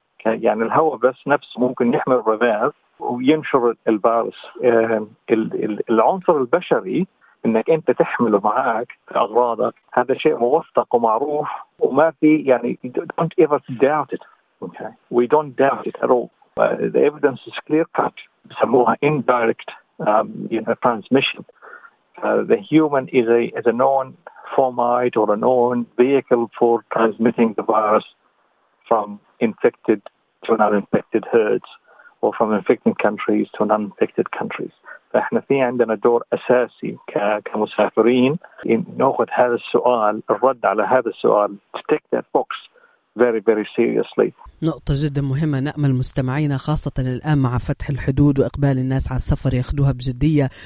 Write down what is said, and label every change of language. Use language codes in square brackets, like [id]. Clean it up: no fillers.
[ar] يعني الهواء بس نفسه ممكن يحمل الرذاذ وينشر الفيروس. العنصر البشري انك انت تحمله معك في اغراضك هذا شيء موثق ومعروف وما في يعني [en] don't ever doubt it. Okay. We don't doubt it at all. The evidence is clear cut. [ar] بسموها [en] indirect transmission. The human is a known fomite or a known vehicle for transmitting the virus from infected to non-infected herds or from infected countries to non-infected countries. [ar] فإحنا في عندنا دور أساسي كمسافرين إن نأخذ هذا السؤال، الرد على هذا السؤال، [en] to tick that box very very seriously. [ar] نقطة جدا مهمة نأمل مستمعينا خاصة الآن مع فتح الحدود وإقبال الناس على السفر ياخدوها بجدية.